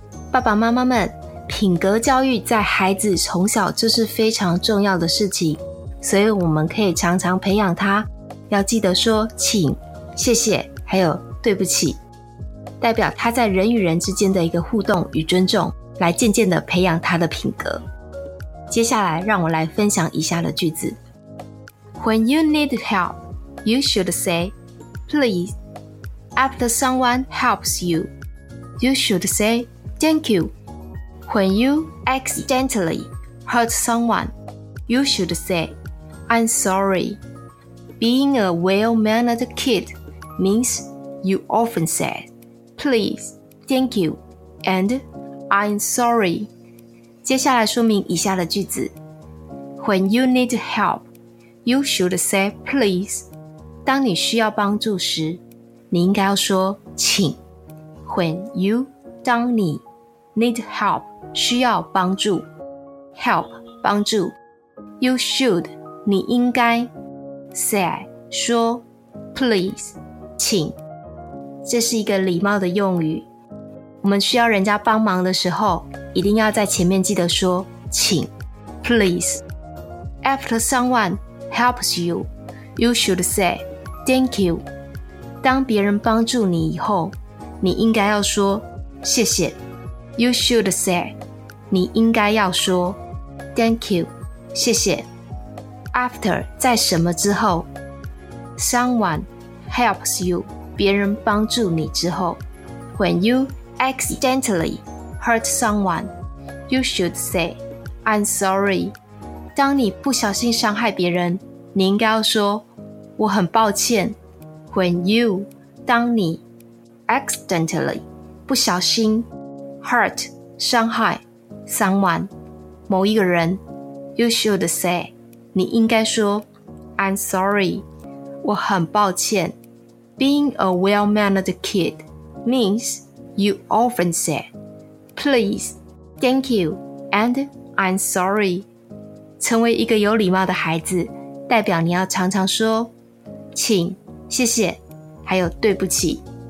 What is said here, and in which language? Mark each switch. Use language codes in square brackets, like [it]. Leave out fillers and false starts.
[zh] 爸爸妈妈们，品格教育在孩子从小就是非常重要的事情，所以我们可以常常培养他，要记得说请、谢谢，还有对不起，代表他在人与人之间的一个互动与尊重，来渐渐的培养他的品格。接下来让我来分享以下的句子。 [en] When you need help, you should say please. After someone helps you, you should say thank you. When you accidentally hurt someone, you should sayI'm sorry. Being a well-mannered kid means you often say, please, thank you, and I'm sorry. [zh] 接下来说明以下的句子。 [en] When you need help, you should say please. [zh] 当你需要帮助时，你应该要说请。 [en] When you, [zh] 当你 [en] need help, [zh] 需要帮助。 Help, 帮助。 [en] You should, [zh] 你应该 say 说 please 请，这是一个礼貌的用语。我们需要人家帮忙的时候，一定要在前面记得说请 please。 [en] After someone helps you, you should say thank you。 [zh] 当别人帮助你以后，你应该要说谢谢。 [en] You should say, [zh] 你应该要说 [en] thank you, [zh] 谢谢。 After 在什么之后， [en] Someone helps you， [zh] 别人帮助你之后。 [en] When you accidentally hurt someone, you should say I'm sorry。 [zh] 当你不小心伤害别人，你应该要说我很抱歉。 [en] When you [zh] 当你 [en] accidentally 不小心 hurt 伤害 someone 某一个人， you should say，你应该说 I'm sorry， [zh] 我很抱歉。 [en] Being a well-mannered kid means you often say please, thank you, and I'm sorry。 [zh] 成为一个有礼貌的孩子，代表你要常常说请、谢谢，还有对不起。